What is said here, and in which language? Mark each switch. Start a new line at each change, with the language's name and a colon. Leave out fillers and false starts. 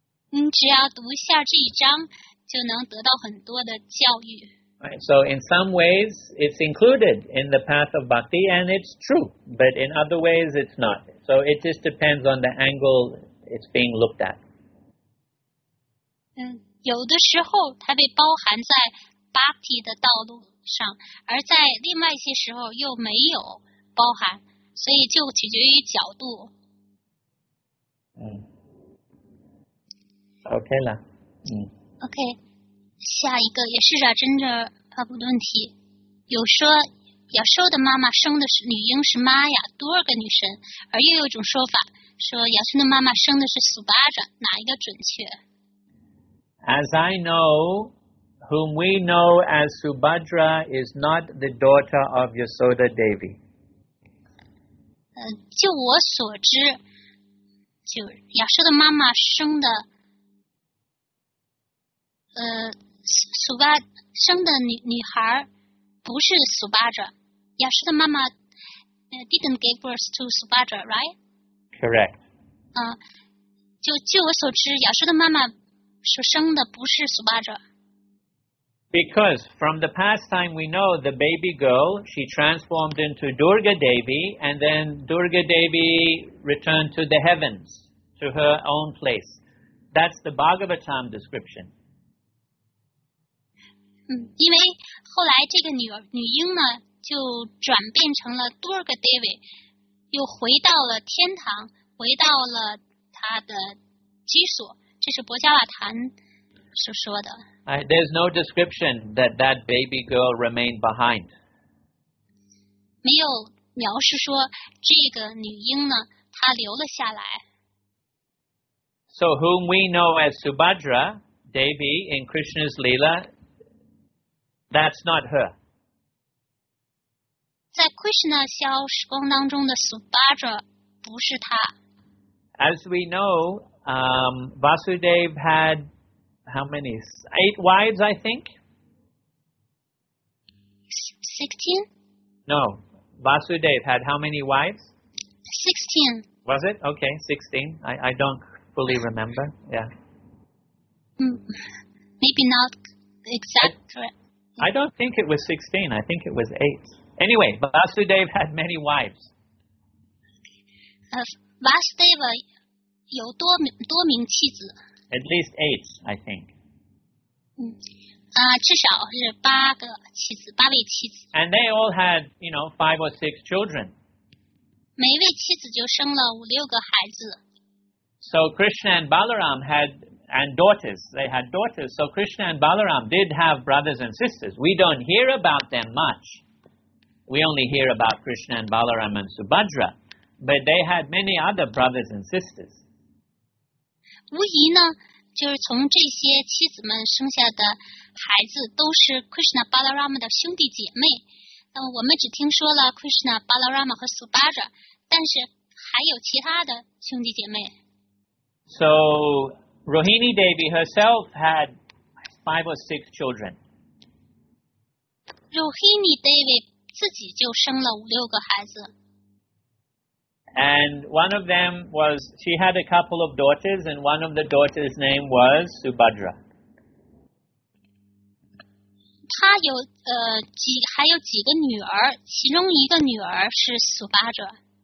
Chinese: 只要读一下这一章。就能得到很多的教育。
English: Right, so in some ways, it's included in the path of bhakti, and it's true. But in other ways, it's not. So it just depends on the angle it's being looked at.
Chinese: 有的时候它被包含在 bhakti 的道路上，而在另外一些时候又没有包含，所以就取决于角度。 OK 了。 OK， 下一个也是扎真的帕布顿提，有说亚瑟的妈妈生的是女婴是玛雅，多尔个女神，而又有一种说法说亚瑟的妈妈生的是苏巴扎，哪一个准确
English: ？As I know, whom we know as Subhadra is not the daughter of Yasoda Devi.
Chinese: 就我所知，就亚瑟的妈妈生的。生的 女孩不是 Subhadra.
English: Yashoda mama didn't give birth to Subhadra, right? Correct.
Chinese: 就我所知 Yashoda mama 所生的不是 Subhadra.
English: Because from the past time we know the baby girl, she transformed into Durga Devi, and then Durga Devi returned to the heavens, to her own place. That's the Bhagavatam description.
Chinese: 因为后来这个女婴呢就转变成了多尔格戴维，又回到了天堂，回到了她的居所，这是博加瓦坛所说的。
English: There's no description that baby girl remained behind.
Chinese: 没有描述说这个女婴呢她留了下来。
English: So whom we know as Subhadra Devi in Krishna's Leela,That's not her.
Chinese: 在 Krishna 消时光当中的 Subhadra 不是她。
English: As we know, Vasudev had how many? 8 wives, I think? 16? No. Vasudev had how many wives? 16. Was it? Okay, 16. I don't fully remember. Yeah. Maybe not exactly. I don't think it was 16. I think it was 8. Anyway, Vasudeva had many wives.
Chinese: Vasudeva 有多名妻子。
English: At least 8, I think.
Chinese: 至少是八个妻子，八位妻子。
English: And they all had, you know, 5 or 6 children.
Chinese: 每一位妻子就生了五六个孩子。
English: So Krishna and Balaram had... And daughters, they had daughters. So Krishna and Balaram did have brothers and sisters. We don't hear about them much. We only hear about Krishna and Balaram and Subhadra. But they had many other brothers and sisters.
Chinese: 无疑呢，就是从这些妻子们生下的孩子都是 Krishna Balaram 的兄弟姐妹。那么我们只听说了 Krishna Balaram 和 Subhadra， 但是还有其他的兄弟姐妹。
English: So. Rohini Devi herself had 5 or 6 children. Rohini Devi
Chinese: 自己就生了五六个孩子。
English: And one of them was, she had a couple of daughters, and one of the daughters' name was Subhadra.
Chinese: 她有还有几个女儿，其中一个女儿是 Subhadra。